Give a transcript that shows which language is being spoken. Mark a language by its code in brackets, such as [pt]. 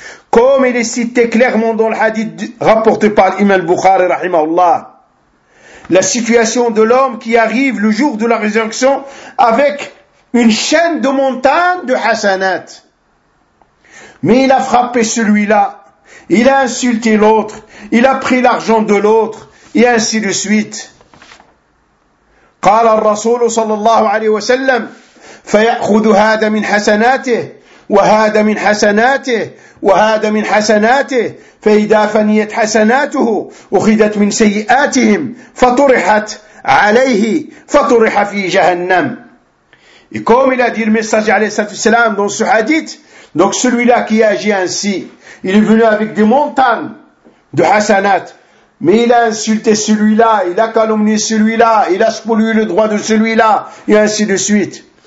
[fr] Comme il est cité clairement dans le hadith rapporté par l'imam Bukhari, rahimahullah, la situation de l'homme qui arrive le jour de la résurrection avec une chaîne de montagnes de hasanat. Mais il a frappé celui-là, il a insulté l'autre, il a pris l'argent de l'autre, et ainsi de suite. [ar] قال الرسول صلى الله عليه وسلم فيأخذ هذا من حسناته وهذا من حسناته وهذا من حسناته فإذا فنيت حسناته أخذت من سيئاتهم فطرحت عليه فطرح في جهنم. [fr] Et comme il a dit le messager alayhi salam dans ce hadith, donc celui-là qui agit ainsi, il est venu avec des montagnes de hasanat. Mais il a insulté celui-là, il a calomnié celui-là, il a spolié le droit de celui-là, et ainsi de suite.